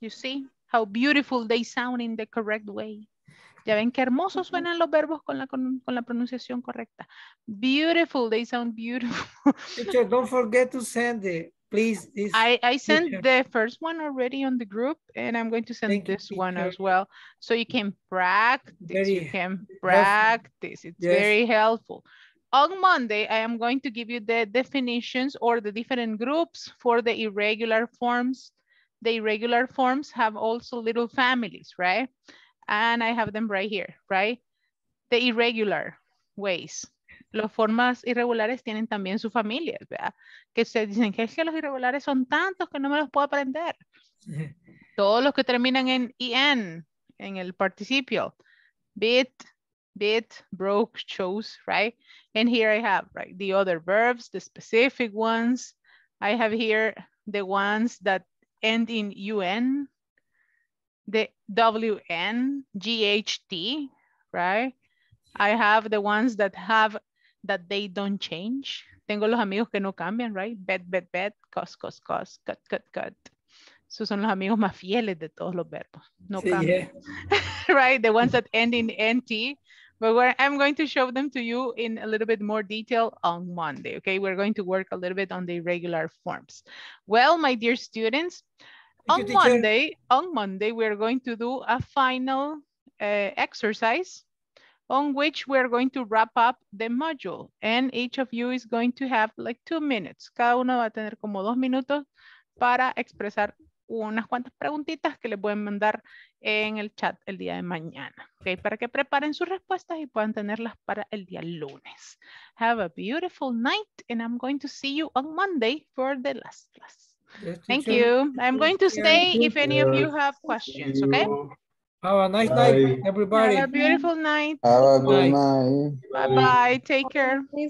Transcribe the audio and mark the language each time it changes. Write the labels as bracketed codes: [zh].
[en] You see how beautiful they sound in the correct way. [es] Ya ven que hermosos suenan los verbos con la pronunciación correcta. [en] Beautiful, they sound beautiful. Teacher, don't forget to send it. Please, I sent the first one already on the group and I'm going to send this one as well. So you can practice, it's very helpful. On Monday, I am going to give you the definitions or the different groups for the irregular forms. The irregular forms have also little families, right? And I have them right here, right? The irregular ways. [es] Las formas irregulares tienen también su familia, ¿verdad? Que se dicen que es que los irregulares son tantos que no me los puedo aprender. Todos los que terminan en IN, en el participio. [en] Bit, bit, broke, chose, right? And here I have, right, the other verbs, the specific ones. I have here the ones that end in UN, the WN, GHT, right? I have the ones that have, that they don't change. [es] Tengo los amigos que no cambian, [en] right? Bet, bet, bet, cos, cos, cos, cut, cut, cut. [es] Esos son los amigos más fieles de todos los verbos. No cambian. [en] Yeah. Right? The ones that end in NT. But I'm going to show them to you in a little bit more detail on Monday, okay? We're going to work a little bit on the irregular forms. Well, my dear students, on Monday, we're going to do a final exercise on which we're going to wrap up the module. And each of you is going to have like 2 minutes. [es] Cada uno va a tener como 2 minutos para expresar unas cuantas preguntitas que les voy a mandar en el chat el día de mañana. Okay, para que preparen sus respuestas y puedan tenerlas para el día lunes. [en] Have a beautiful night and I'm going to see you on Monday for the last class. Thank you. I'm going to stay if any of you have questions, okay? Have a nice night, everybody. Have a beautiful night. Have a good night. Bye bye. Take care.